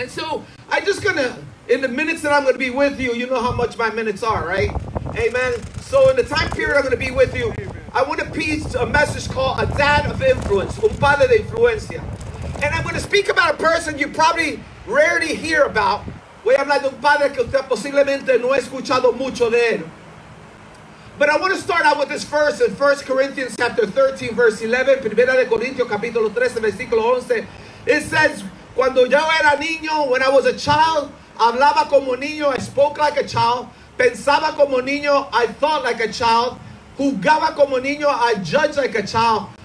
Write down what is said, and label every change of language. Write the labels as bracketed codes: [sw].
[en] And so I'm just going to, in the minutes that I'm going to be with you know how much my minutes are, right? Amen. So in the time period I'm going to be with you, amen, I want to preach a message called A Dad of Influence. [es] Un padre de influencia. [en] And I'm going to speak about a person you probably rarely hear about. [es] Voy a hablar de un padre que usted posiblemente no ha escuchado mucho de él. [en] But I want to start out with this verse in 1 Corinthians chapter 13, verse 11. [es] Primera de Corintios, capítulo 13, versículo 11. [en] It says, [es] cuando yo era niño, [en] when I was a child, [es] hablaba como niño, [en] I spoke like a child, [es] pensaba como niño, [en] I thought like a child, [es] jugaba como niño, [en] I judged like a child.